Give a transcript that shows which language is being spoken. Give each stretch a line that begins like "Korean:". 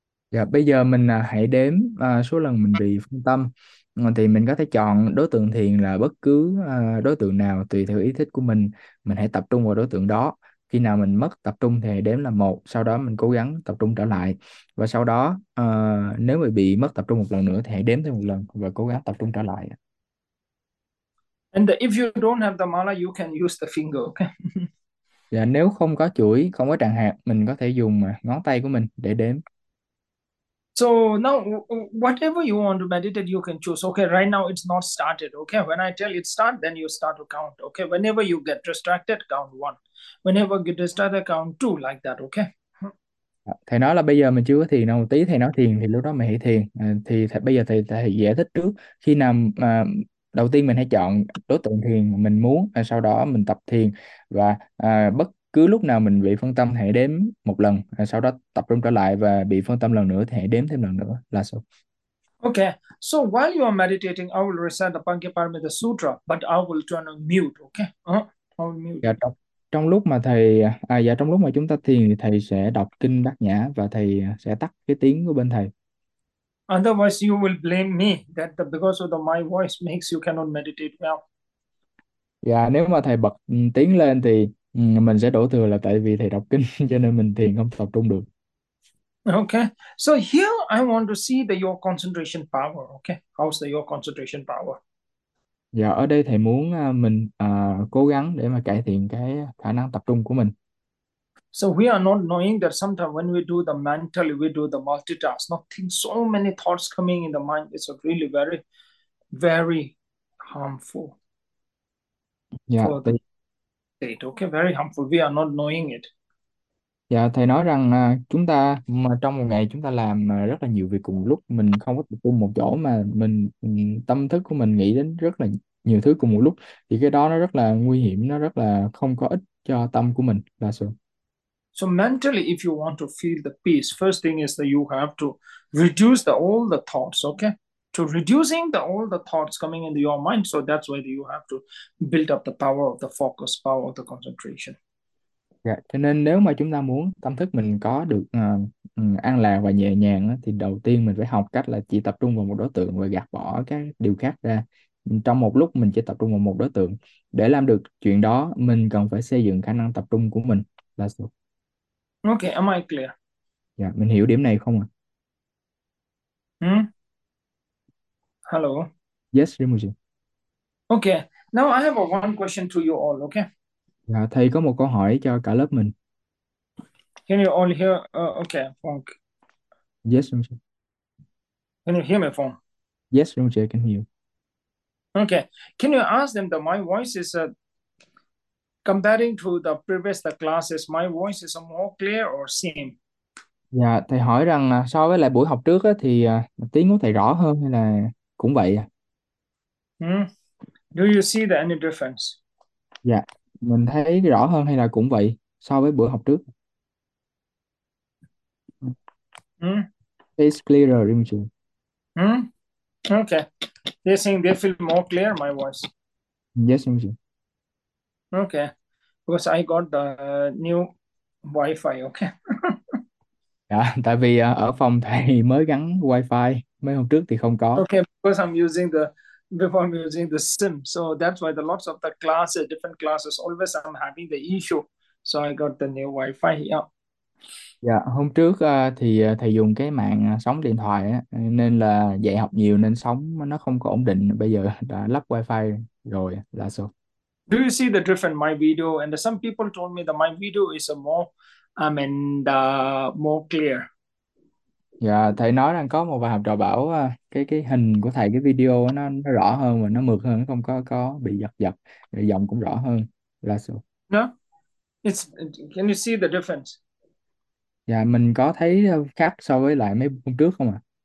Vietnamese: Dạ, bây giờ mình hãy đếm số lần mình bị phân tâm. Thì mình có thể chọn đối tượng thiền là bất cứ đối tượng nào tùy theo ý thích của mình. Mình hãy tập trung vào đối tượng đó. Khi nào mình mất tập trung thì đếm là một. Sau đó mình cố gắng tập trung trở lại. Và sau đó nếu mà bị mất tập trung một lần nữa thì hãy đếm thêm một lần và cố gắng tập trung trở lại.
English: And if you don't have the mala, you can use the finger,
Vietnamese: Dạ, nếu không có chuỗi, không có tràng hạt, mình có thể dùng ngón tay của mình để đếm.
English: okay? So now, whatever you want to meditate, you can choose. Okay, right now it's not started. Okay, when I tell it start, then you start to count. Okay, whenever you get distracted, count one. Whenever you get distracted, count two, like that, okay?
Vietnamese: Thầy nói là bây giờ mình chưa có thiền đâu, tí thầy nói thiền thì lúc đó mình hãy thiền. Thì bây giờ thầy giải thích trước. Khi nào đầu tiên mình hãy chọn đối tượng thiền mình muốn, sau đó mình tập thiền và bất cứ lúc nào mình bị phân tâm hãy đếm một lần, sau đó tập trung trở lại và bị phân tâm lần nữa thì hãy đếm thêm lần nữa là xong.
English: Okay, so while you are meditating, I will recite the Pankaya Paramita Sutra, but I will turn on mute. Okay, I will mute
Vietnamese: Dạ,
English: it.
Vietnamese: trong lúc mà thầy à dạ trong lúc mà chúng ta thiền thì thầy sẽ đọc kinh Bát Nhã và thầy sẽ tắt cái tiếng của bên thầy.
English: Otherwise, you will blame me that because of my voice makes you cannot meditate well.
Vietnamese: Dạ, nếu mà thầy bật tiếng lên thì mình sẽ đổ thừa là tại vì thầy đọc kinh cho nên mình thiền không tập trung được.
English: Okay, so here I want to see the your concentration power. Okay, how's the your concentration power?
Vietnamese: Dạ, ở đây thầy muốn mình cố gắng để mà cải thiện cái khả năng tập trung của mình.
English: So we are not knowing that sometimes when we do the mentally, we do the multitask, not think so many thoughts coming in the mind. It's a really very, very harmful
Vietnamese: Dạ,
English: for the state. Okay, very harmful. We are not knowing it.
Vietnamese: thầy nói rằng chúng ta mà trong một ngày chúng ta làm rất là nhiều việc cùng lúc, mình không có tập trung một chỗ mà mình tâm thức của mình nghĩ đến rất là nhiều thứ cùng một lúc, thì cái đó nó rất là nguy hiểm, nó rất là không có ích cho tâm của mình là sự.
English: So mentally, if you want to feel the peace, first thing is that you have to reduce the all the thoughts, okay? To reducing the all the thoughts coming into your mind, so that's why you have to build up the power of the focus, power of the concentration.
Vietnamese: Dạ, cho nên nếu mà chúng ta muốn tâm thức mình có được an lạc và nhẹ nhàng á, thì đầu tiên mình phải học cách là chỉ tập trung vào một đối tượng và gạt bỏ các điều khác ra. Trong một lúc mình chỉ tập trung vào một đối tượng. Để làm được chuyện đó, mình cần phải xây dựng khả năng tập trung của mình. Là sao?
English: Okay, am I clear?
Vietnamese: Dạ, mình hiểu điểm này không ạ? À?
English: Hello. Yes, Rinpoche. Okay. Now I have a one question to you all. Okay.
Vietnamese: Dạ, thầy có một câu hỏi cho cả lớp mình.
English: Can you all hear? Okay. Rinpoche. Can you hear my phone? Yes, Rinpoche, I can hear you. Okay. Can you ask them that my voice is comparing to the previous the classes, my voice is more clear or same?
Vietnamese: Dạ, thầy hỏi rằng so với lại buổi học trước á, thì tiếng của thầy rõ hơn hay là cũng vậy à?
English: Do you see the any difference?
Vietnamese: Dạ, mình thấy rõ hơn hay là cũng vậy so với bữa học trước.
English: Clearer,
Vietnamese: đúng
English: Okay. They're saying they feel more clear, my voice.
Vietnamese: không?
English: Yes,
Vietnamese: đúng không?
English: Okay. Because I got the new Wi-Fi, okay.
Vietnamese: Dạ, tại vì ở phòng thầy mới gắn wifi, mấy hôm trước thì không có.
English: Okay, because I'm using the before I'm using the SIM. So that's why the lots of the classes, different classes, always I'm having the issue. So I got the new Wi-Fi here.
Vietnamese: Dạ, hôm trước thì thầy dùng cái mạng sóng điện thoại á, nên là dạy học nhiều nên sóng nó không có ổn định. Bây giờ đã lắp wifi rồi, là sao?
English: Do you see the difference my video? And some people told me that my video is a more, I mean, more clear.
Vietnamese: Dạ, thầy nói rằng có một vài học trò bảo cái hình của thầy, cái video nó rõ hơn và nó mượt hơn, nó không có bị giật giật, rồi giọng cũng rõ hơn, là sao?
English: No? Can you see the difference?
Vietnamese: Dạ, mình có thấy khác so với lại mấy hôm trước không ạ?